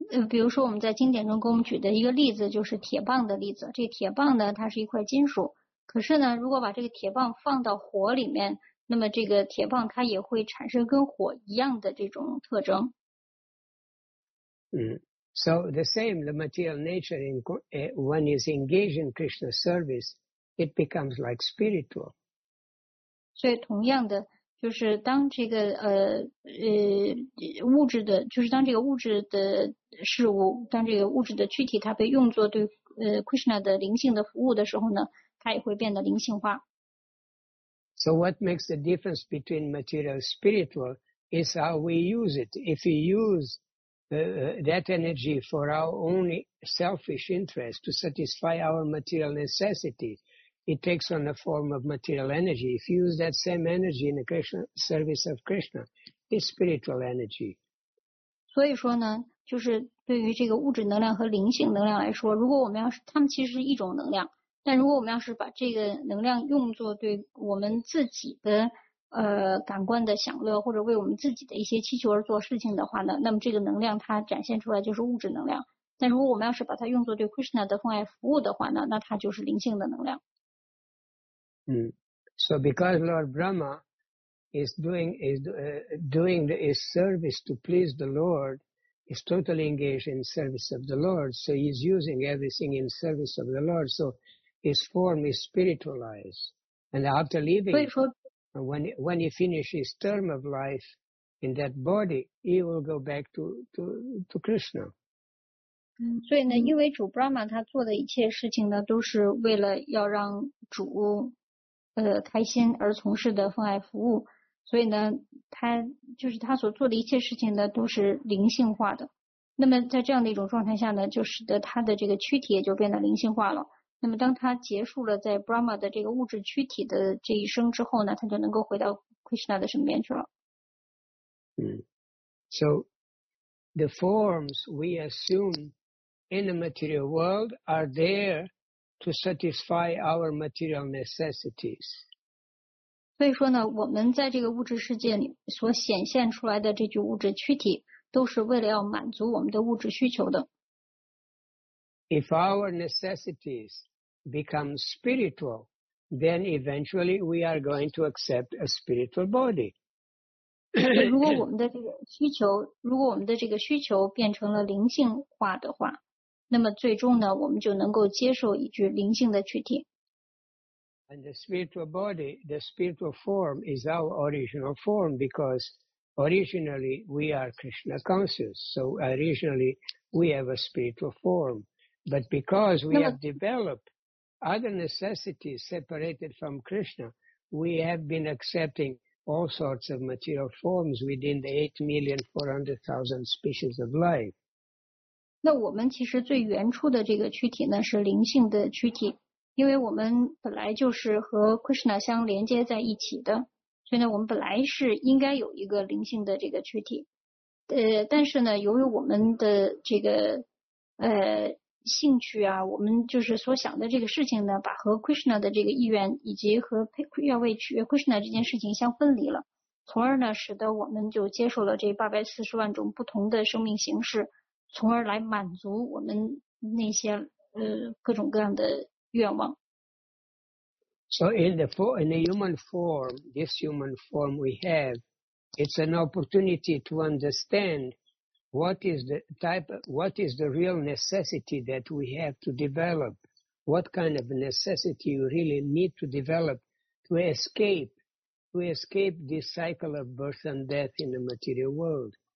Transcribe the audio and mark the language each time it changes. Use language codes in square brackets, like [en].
[zh] 比如说我们在经典中给我们举的一个例子就是铁棒的例子。这铁棒呢，它是一块金属。可是呢，如果把这个铁棒放到火里面，那么这个铁棒它也会产生跟火一样的这种特征。 [en] So the same, the material nature, when it's engaged in Krishna service, it becomes like spiritual. [zh] 所以同样的，就是当这个物质的，就是当这个物质的事物，当这个物质的躯体它被用作对Krishna 的灵性的服务的时候呢，它也会变得灵性化。 [en] So what makes the difference between material and spiritual is how we use it. If we usethat energy for our own selfish interest to satisfy our material necessity, it takes on the form of material energy. If you use that same energy in the Krishna service of Krishna, it's spiritual energy. [zh] 所以说呢，就是对于这个物质能量和灵性能量来说，如果我们要是它们其实是一种能量，但如果我们要是把这个能量用作对我们自己的感官的享乐，或者为我们自己的一些需求而做事情的话呢，那么这个能量它展现出来就是物质能量。但如果我们要是把它用作对 Krishna 的奉爱服务的话呢，那它就是灵性的能量。 [en] So because Lord Brahma is doing doing his service to please the Lord, is totally engaged in service of the Lord. So he's using everything in service of the Lord. So his form is spiritualized. And after leaving, when he finishes his term of life in that body, he will go back to Krishna. [zh] 所以呢，因为主 Brahma 他做的一切事情呢，都是为了要让主开心而从事的奉爱服务，所以呢，他就是他所做的一切事情呢，都是灵性化的。那么在这样的一种状态下呢，就使得他的这个躯体也就变得灵性化了。那么当他结束了在 Brahma 的这个物质躯体的这一生之后呢，他就能够回到 Krishna 的身边去了。 [en] So the forms we assume in the material world are there to satisfy our material necessities. [zh] 所以说呢，我们在这个物质世界里所显现出来的这具物质躯体都是为了要满足我们的物质需求的。 [en] If our necessities become spiritual, then eventually we are going to accept a spiritual body. [zh] 如果我们的这个需求，如果我们的这个需求变成了灵性化的话，那么最终呢，我们就能够接受一具灵性的躯体。 [en] And the spiritual body, the spiritual form is our original form because originally we are Krishna conscious. So originally we have a spiritual form. But because we have developed other necessities separated from Krishna, we have been accepting all sorts of material forms within the 8,400,000 species of life. [zh] 那我们其实最原初的这个躯体呢是灵性的躯体，因为我们本来就是和 Krishna 相连接在一起的，所以呢我们本来是应该有一个灵性的这个躯体。但是呢由于我们的这个兴趣啊，我们就是所想的这个事情呢，把和 Krishna 的这个意愿以及和要为取悦 Krishna 这件事情相分离了，从而呢使得我们就接受了这840万种不同的生命形式。从而来满足我们那些各种各样的愿望。 [en] So in the human form, this human form we have, it's an opportunity to understand what is the real necessity that we have to develop. What kind of necessity you really need to develop to escape this cycle of birth and death in the material world.